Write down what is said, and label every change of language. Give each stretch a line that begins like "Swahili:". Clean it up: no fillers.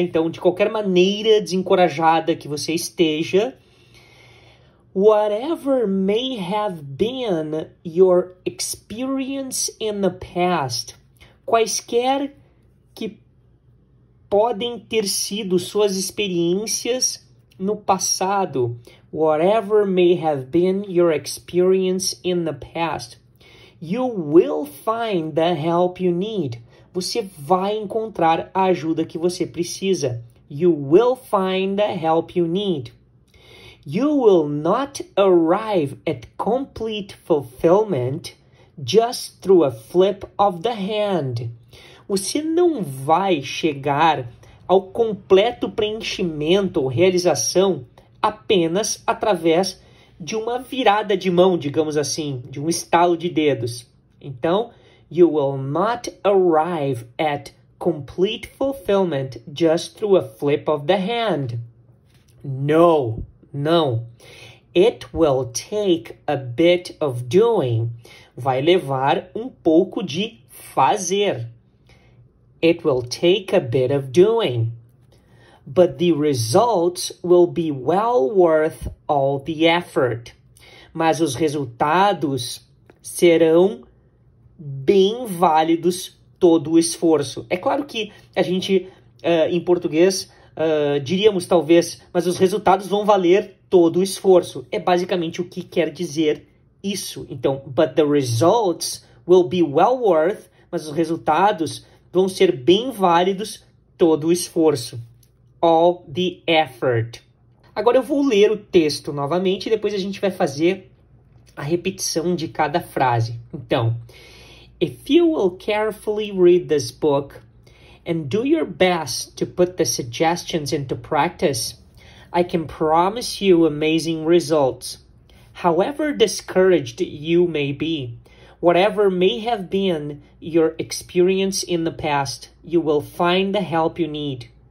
Portuguese: Então, de qualquer maneira desencorajada que você esteja,
English: whatever may have been your experience in the past,
Portuguese: quaisquer que podem ter sido suas experiências no passado,
English: whatever may have been your experience in the past, you will find the help you need.
Portuguese: Você vai encontrar a ajuda que você precisa.
English: You will find the help you need. You will not arrive at complete fulfillment just through a flip of the hand.
Portuguese: Você não vai chegar ao completo preenchimento ou realização apenas através de uma virada de mão, digamos assim, de um estalo de dedos. Então,
English: you will not arrive at complete fulfillment just through a flip of the hand. No. It will take a bit of doing.
Portuguese: Vai levar um pouco de fazer.
English: It will take a bit of doing. But the results will be well worth all the effort.
Portuguese: Mas os resultados serão bem válidos todo o esforço. É claro que a gente, em português, diríamos talvez, mas os resultados vão valer todo o esforço. É basicamente o que quer dizer isso. Então,
English: but the results will be well worth,
Portuguese: mas os resultados vão ser bem válidos todo o esforço.
English: All the effort.
Portuguese: Agora eu vou ler o texto novamente e depois a gente vai fazer a repetição de cada frase. Então,
English: if you will carefully read this book and do your best to put the suggestions into practice, I can promise you amazing results. However discouraged you may be, whatever may have been your experience in the past, you will find the help you need.